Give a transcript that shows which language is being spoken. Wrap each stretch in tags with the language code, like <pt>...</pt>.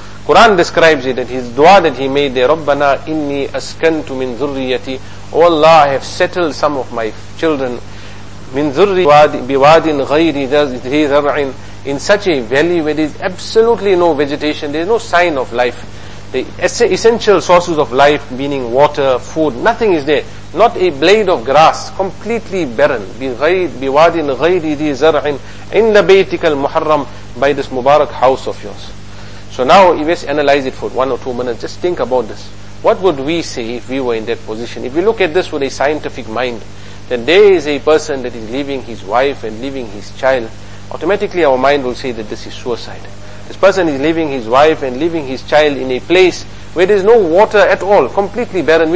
<en>Quran describes it, that his dua that he made there,</en> <ar>Rabbana inni askantu min zurriyati,</ar> <en>O Allah, I have settled some of my children,</en> <ar>min zurriyati biwadin ghayri dhi zar'in,</ar> <en>in such a valley where there is absolutely no vegetation, there is no sign of life. The essential sources of life, meaning water, food, nothing is there. Not a blade of grass, completely barren.</en> <ar>بِوَادٍ غَيْرِ ذِي زَرْعٍ عِنْدَ بَيْتِكَ الْمُحَرَّمِ,</ar> <en>by this Mubarak house of yours. So now, if you just analyze it for 1 or 2 minutes, just think about this. What would we say if we were in that position? If we look at this with a scientific mind, then there is a person that is leaving his wife and leaving his child. Automatically our mind will say that this is suicide. This person is leaving his wife and leaving his child in a place where there is no water at all, completely barren.</en>